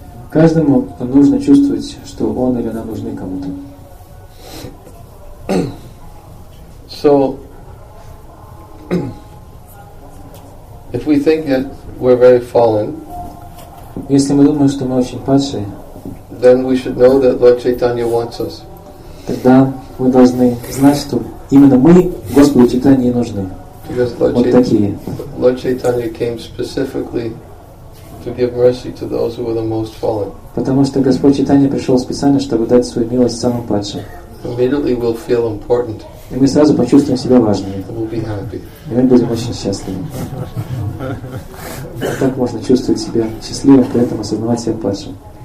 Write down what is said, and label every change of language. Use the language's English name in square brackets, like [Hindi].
[Russian] Каждому нужно чувствовать, что он или она нужны кому-то. [English] So, if we think that we're very fallen, [Russian] если мы думаем, что мы очень падшие, [English] then we should know that Lord Chaitanya wants us. [Russian] Тогда мы должны знать, что именно мы Господу Чайтанье нужны. [English] Because Lord Chaitanya came specifically to give mercy to those who were the most fallen. [Russian] Потому что Господь Чайтанья пришел специально, чтобы дать свою милость самым падшим. [English] Immediately we'll feel important. [Russian] И мы сразу почувствуем себя важными. [English] We'll be happy. [Russian] И мы будем очень счастливы. Так можно чувствовать себя счастливым, при этом осознавать себя падшим.